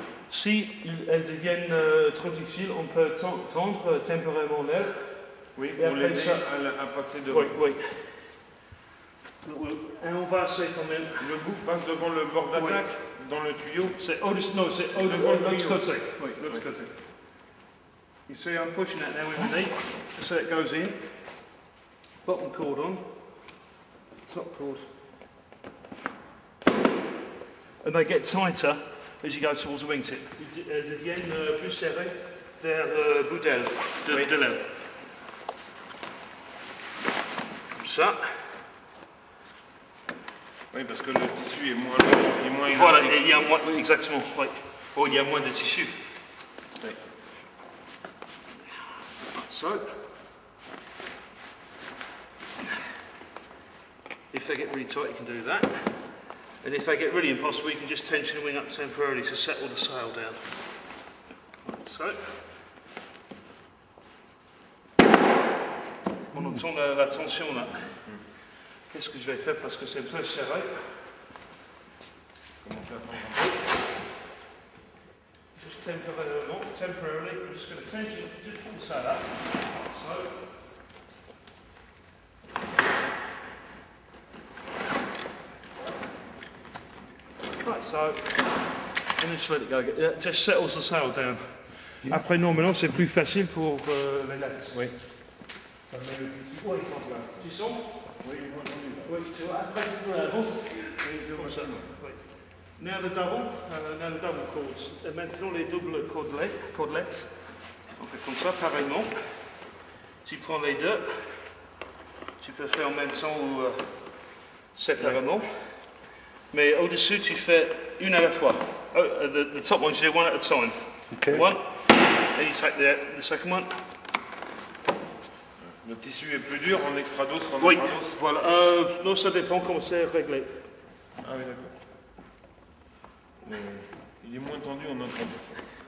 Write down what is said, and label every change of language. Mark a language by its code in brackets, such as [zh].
[fr] Si elles deviennent trop difficiles, on peut tendre temporairement l'air. Oui, on les met à passer devant. Oui, oui. Et on va essayer quand même. Le bout passe devant le bord d'attaque, oui. Dans le tuyau. C'est au-devant de l'autre côté. Oui, l'autre côté. [en] You see, I'm pushing that now with my knee. Just so it goes in. Bottom cord on. Top cord. And they get tighter as you go towards the wingtip. [fr] Ils deviennent plus serrés vers le bout de l'aile. Comme ça. Oui, parce que le tissu est moins élastique. Voilà, il y a moins, exactement. Oui. Oh, il y a moins de tissu. Oui. [en] So. If they get really tight, you can do that. And if they get really impossible, you can just tension the wing up temporarily to settle the sail down. Like so. [fr] On entend la tension là. Qu'est-ce que je vais faire parce que c'est un peu serré. Comment faire? [en] Just temporarily, I'm just going to tension, just pull the sail up. Like so. So, and just let it go. It just settles the sail down. Yeah. [fr] Après, normalement, c'est plus facile pour les lettres. Oui. Oui, il faut bien. Tu sens? Oui, il faut bien. Oui, tu vois, après, c'est la double. Oui, comme ça. [en] Now the double cords. [fr] Et maintenant, les doubles cordelettes. On fait comme ça, pareillement. Tu prends les deux. Tu peux faire en même temps ou séparément. Mais au-dessus, tu fais une à la fois. [en] The top ones, you do one at a time. Okay. One, and you take the second one. [fr] Le tissu est plus dur en extra dose qu'en oui. Extra dose. Oui, voilà. Non, ça dépend comment c'est réglé. Ah oui, d'accord. Mais il est moins tendu en extra dose.